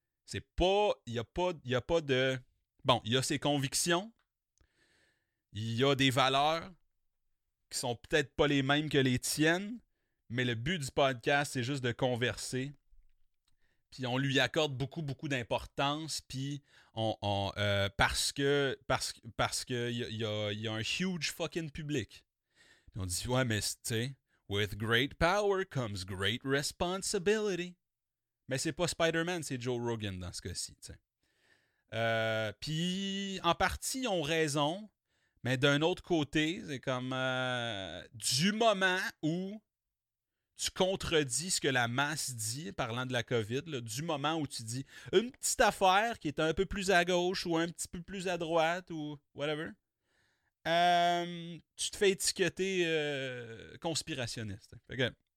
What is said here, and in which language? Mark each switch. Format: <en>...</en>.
<fr>C'est pas, il n'y a pas de... Bon, il y a ses convictions, il y a des valeurs, qui sont peut-être pas les mêmes que les tiennes, mais le but du podcast, c'est juste de converser. Puis on lui accorde beaucoup, beaucoup d'importance, puis parce qu'il y a un</fr> <en>huge fucking</en> <fr>public. Puis on dit, ouais, mais tu sais,</fr> <en>with great power comes great responsibility.</en> <fr>Mais c'est pas Spider-Man, c'est Joe Rogan dans ce cas-ci, tu sais. Puis en partie, ils ont raison. Mais d'un autre côté, c'est comme du moment où tu contredis ce que la masse dit, parlant de la COVID, là, du moment où tu dis une petite affaire qui est un peu plus à gauche ou un petit peu plus à droite ou whatever, tu te fais étiqueter conspirationniste. Okay.</fr>